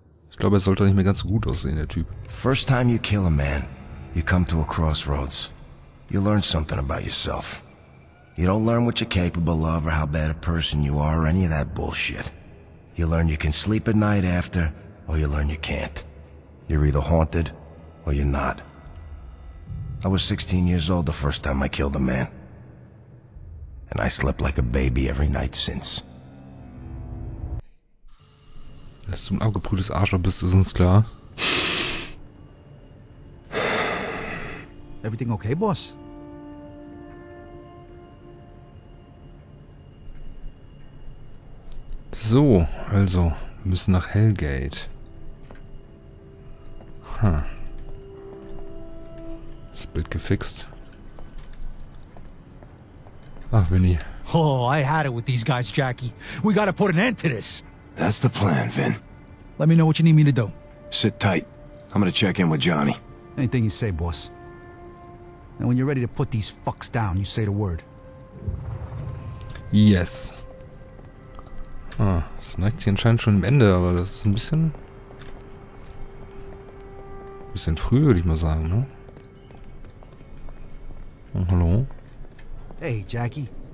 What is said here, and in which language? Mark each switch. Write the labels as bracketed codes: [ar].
[de] Ich glaube, er sollte nicht mehr ganz so gut aussehen, der Typ. [en] First time you kill a man, you come to a crossroads. You learn something about yourself. You don't learn what you're capable of or how bad a person you are or any of that bullshit. You learn you can sleep at night after, or you learn you can't. You're either haunted or you're not. I was 16 years old the first time I killed a man. And I slept like a baby every night since. [de] Dass du ein abgebrühtes Arschloch bist, ist uns klar. [en] Everything okay, Boss? [de] So, also, wir müssen nach Hellgate. Hm. Das Bild gefixt. Ach, Vinny. [en] Oh, I had it with these guys, Jackie. We gotta put an end to this. That's the plan, Vin. Let me know what you need me to do. Sit tight. I'm gonna check in with Johnny. Anything you say, boss. And when you're ready to put these fucks down, you say the word. Yes. [de] Ah, es neigt sich anscheinend schon am Ende, aber das ist ein bisschen... bisschen früh, würde ich mal sagen, ne? Oh, hallo? [en] Hey, Jackie.